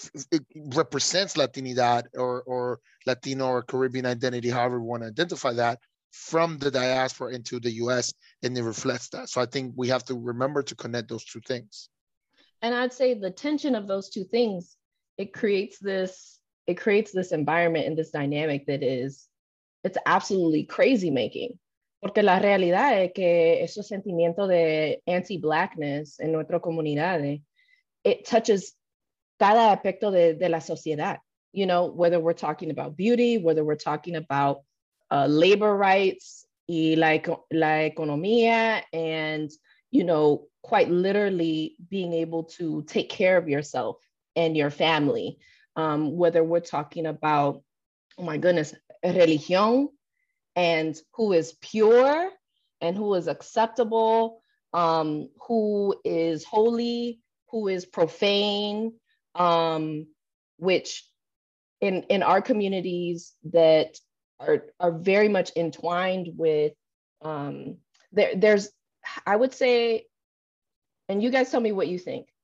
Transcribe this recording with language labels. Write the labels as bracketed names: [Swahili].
[English] it represents Latinidad or Latino or Caribbean identity, however you want to identify that, from the diaspora into the U.S. and it reflects that. So I think we have to remember to connect those two things. And I'd say the tension of those two things, it creates this environment and this dynamic that is, it's absolutely crazy making. [Spanish] Porque la realidad es que ese sentimiento de anti-blackness en nuestra comunidad, [English] it touches [Spanish] cada aspecto de la sociedad. [English] You know, whether we're talking about beauty, whether we're talking about labor rights [Spanish] y la economía, [English] and, you know, quite literally being able to take care of yourself and your family. Whether we're talking about, oh my goodness, religión, and who is pure and who is acceptable, who is holy, who is profane, which in our communities that are very much entwined with, there's, I would say, and you guys tell me what you think.